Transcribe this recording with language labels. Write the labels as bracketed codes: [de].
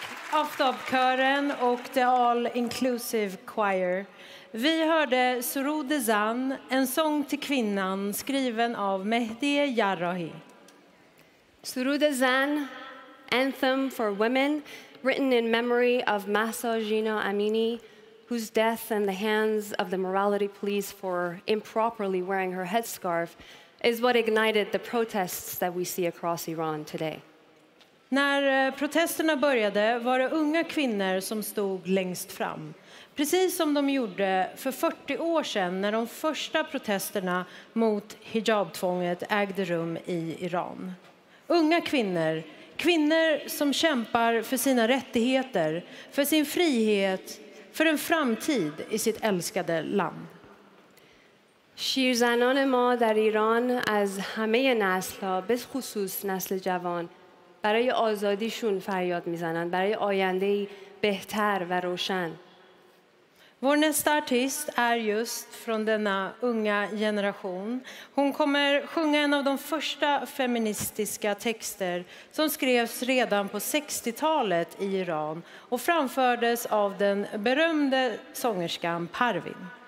[sv] Aftabkören och The All Inclusive Choir. Vi hörde Sorude Zan, en sång till kvinnan skriven av Mehdi Jarrahi. [en] Sorude Zan, anthem for women, written in memory of Mahsa Jina Amini, whose death in the hands of the morality police for improperly wearing her headscarf is what ignited the protests that we see across Iran today. [sv] När protesterna började var det unga kvinnor som stod längst fram. Precis som de gjorde för 40 år sedan när de första protesterna mot hijabtvånget ägde rum i Iran. Unga kvinnor, kvinnor som kämpar för sina rättigheter, för sin frihet, för en framtid i sitt älskade land. [fa] شیرزنان ما در ایران از همه نسل‌ها به خصوص نسل جوان برای آزادیشون فریاد می‌زنند برای آینده‌ای بهتر و روشن. [sv] Vår nästa artist är just från denna unga generation. Hon kommer sjunga en av de första feministiska texter som skrevs redan på 60-talet i Iran och framfördes av den berömde sångerskan Parvin.